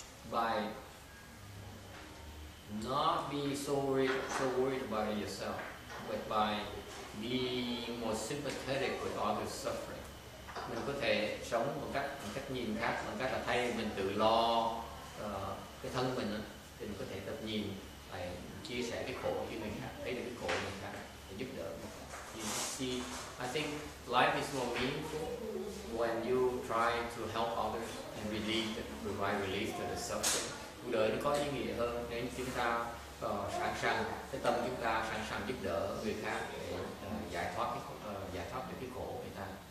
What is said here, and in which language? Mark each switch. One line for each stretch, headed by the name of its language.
English: By not being so worried about yourself, but by being more sympathetic with others' suffering.
Vietnamese: Mình có thể sống một cách nhìn khác, bằng cách là thay mình tự lo cái thân mình đó, thì mình có thể tập nhìn lại, chia sẻ cái khổ với mình khác, thấy được cái khổ mình khác để giúp đỡ mình.
English: See, I think life is more meaningful when you try to help others and provide relief to the suffering.
Vietnamese: Cuộc đời nó có ý nghĩa hơn nếu chúng ta sẵn sàng, cái tâm chúng ta sẵn sàng giúp đỡ người khác để giải thoát được cái khổ của người ta.